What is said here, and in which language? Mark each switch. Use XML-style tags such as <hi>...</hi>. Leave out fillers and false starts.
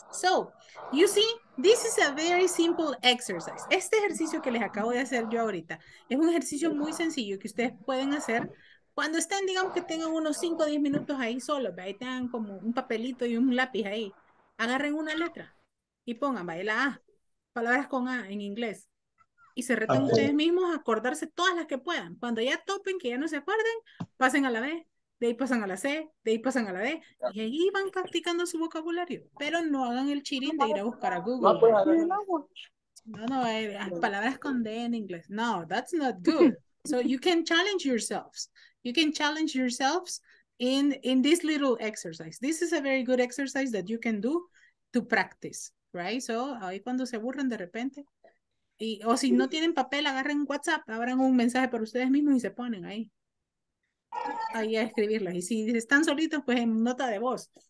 <en>So, you see, this is a very simple exercise.</en> <es>Este ejercicio que les acabo de hacer yo ahorita es un ejercicio muy sencillo que ustedes pueden hacer cuando estén, digamos que tengan unos 5 o 10 minutos ahí solos, ahí tengan como un papelito y un lápiz ahí. Agarren una letra y pongan, vaya, la A, palabras con A en inglés. Y se retan ustedes mismos a acordarse todas las que puedan. Cuando ya topen, que ya no se acuerden, pasen a la B. De ahí pasan a la C, de ahí pasan a la D, y ahí van practicando su vocabulario. Pero no hagan el cheating de ir a buscar a Google. No, palabras con D en inglés.</es> <en>No, that's not good. So you can challenge yourselves. You can challenge yourselves in this little exercise. This is a very good exercise that you can do to practice, right?</en> <es>So ahí cuando se aburren de repente, y, o si no tienen papel, agarren WhatsApp, abran un mensaje para ustedes mismos y se ponen ahí. Ahí a escribirlas. Y si están solitos, pues en nota de voz.</es>